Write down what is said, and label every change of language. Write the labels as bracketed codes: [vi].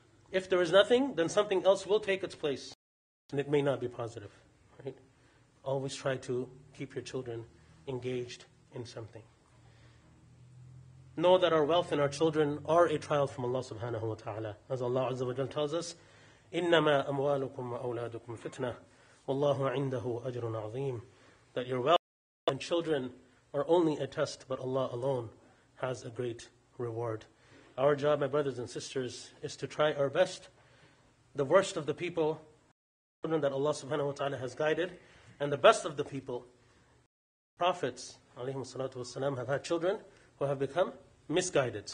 [en] If there is nothing, then something else will take its place, and it may not be positive, right? Always try to keep your children engaged in something. Know that our wealth and our children are a trial from Allah subhanahu wa ta'ala. As Allah azza wa jalla tells us, [ar] إِنَّمَا أَمْوَالُكُمْ وَأَوْلَادُكُمْ فِتْنَةً وَاللَّهُ عِنْدَهُ أَجْرٌ عَظِيمٌ. [en] That your wealth and children are only a test, but Allah alone has a great reward. Our job, my brothers and sisters, is to try our best. The worst of the people, children that Allah subhanahu wa ta'ala has guided, and the best of the people, prophets, alayhim salatu wasalam, have had children who have become misguided.